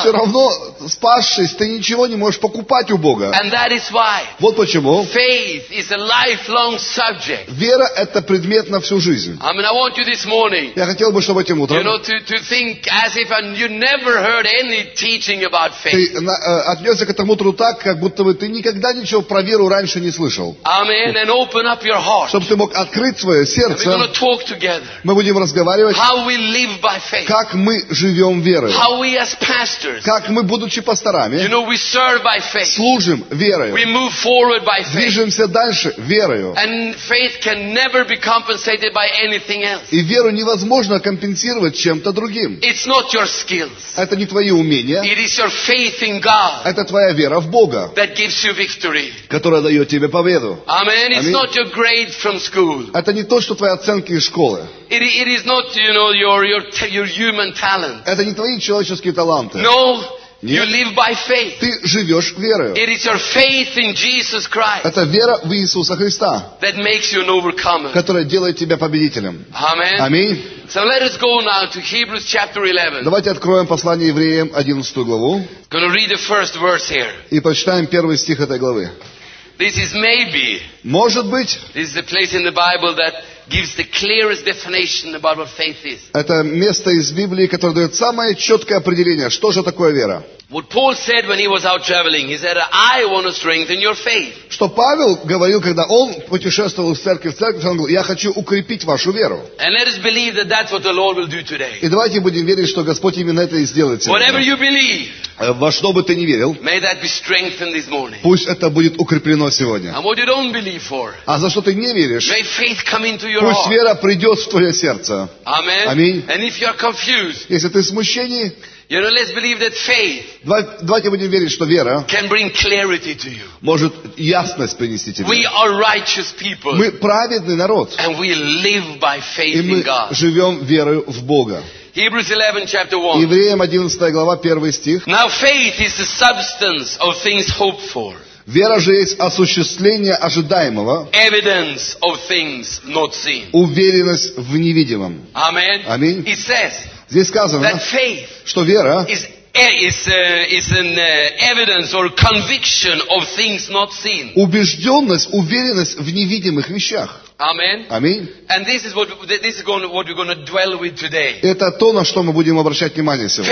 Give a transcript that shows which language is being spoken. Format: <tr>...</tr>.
<ru>Все равно, спасшись, ты ничего не можешь покупать у Бога.</ru> <en>And that is why,</en> <ru>вот почему,</ru> <en>faith is a lifelong subject.</en> <ru>Вера — это предмет на всю жизнь.</ru> <en>I mean, I want you this morning,</en> <ru>я хотел бы, чтобы этим утром,</ru> <en>you know, to think as if you never heard any teaching about faith.</en> <ru>Ты отнесся к этому утру так, как будто бы ты никогда ничего про веру раньше не слышал.</ru> <en>Amen. And open up your heart.</en> <ru>Чтобы ты мог открыть свое сердце.</ru> <en>We're going to talk together.</en> <ru>Мы будем разговаривать.</ru> <en>How we live by faith.</en> <ru>Как мы живем верой.</ru> <en>How we as pastors.</en> <ru>Как мы, будучи пасторами,</ru> <en>you know, we serve by faith.</en> <ru>Служим верою.</ru> <en>We move forward by faith.</en> <ru>Движемся дальше верою.</ru> <en>And faith can never become compensated by anything else.</en> <ru>И веру невозможно компенсировать чем-то другим.</ru> <en>It's not your skills.</en> <ru>Это не твои умения.</ru> <en>It is your faith in God.</en> <ru>Это твоя вера в Бога.</ru> <en>That gives you victory.</en> <ru>Которая дает тебе победу.</ru> <en>Amen. It's not your grade from school.</en> <ru>Это не то, что твои оценки из школы.</ru> <en>It is not, you know, your human talent.</en> <ru>Это не твои человеческие таланты.</ru> <en>No.</en> <ru>Нет.</ru> <en>You live by faith.</en> <ru>Ты живешь верою.</ru> <en>It is your faith in Jesus Christ.</en> <ru>Это вера в Иисуса Христа.</ru> <en>That makes you an overcomer.</en> <ru>Которая делает тебя победителем.</ru> <en>Amen.</en> <ru>Аминь.</ru> <en>So let us go now to Hebrews chapter 11.</en> <ru>Давайте откроем послание Евреям 11 главу.</ru> <en>Gonna read the first verse here.</en> <ru>И прочитаем первый стих этой главы.</ru> <en>This is maybe.</en> <ru>Может быть.</ru> <en>This is the place in the Bible that gives the clearest definition about what faith is.</en> <ru>Это место из Библии, которое дает самое четкое определение, что же такое вера.</ru> <en>What Paul said when he was out traveling, he said, "I want to strengthen your faith."</en> <ru>Что Павел говорил, когда он путешествовал из церкви в церковь, он говорил, я хочу укрепить вашу веру.</ru> <en>And let us believe that that's what the Lord will do today.</en> <ru>И давайте будем верить, что Господь именно это и сделает сегодня.</ru> <en>Whatever you believe,</en> <ru>во что бы ты ни верил,</ru> <en>may that be strengthened this morning.</en> <ru>Пусть это будет укреплено сегодня.</ru> <en>And what you don't believe for,</en> <ru>а за что ты не веришь,</ru> <en>may faith come into your</en> <ru>пусть</ru> <en>heart.</en> <ru>Вера придет в твое сердце.</ru> <en>Amen.</en> <ru>Аминь.</ru> <en>And if you are confused,</en> <ru>если ты в смущении,</ru> <en>you know, let's believe that faith.</en> <ru>Давайте будем верить, что вера</ru> <en>can bring clarity to you.</en> <ru>Может ясность принести тебе.</ru> <en>We are righteous people.</en> <ru>Мы праведный народ.</ru> <en>And we live by faith in God.</en> <ru>И мы живем верою в Бога.</ru> <en>Hebrews 11, chapter 1.</en> <ru>Евреям 11 глава, 1 стих.</ru> <en>Now faith is the substance of things hoped for.</en> <ru>Вера же есть осуществление ожидаемого.</ru> <en>Evidence of things not seen.</en> <ru>Уверенность в невидимом.</ru> <en>Amen.</en> <ru>Аминь.</ru> <en>It says.</en> <ru>Здесь сказано,</ru> <en>that faith,</en> <ru>что вера</ru> <en>is an evidence or conviction of things not seen.</en> <ru>Убежденность, уверенность в невидимых вещах.</ru> <en>Amen. Amen. And this is what we're going to dwell with today.</en> <ru>Это то, на что мы будем обращать внимание сегодня.</ru>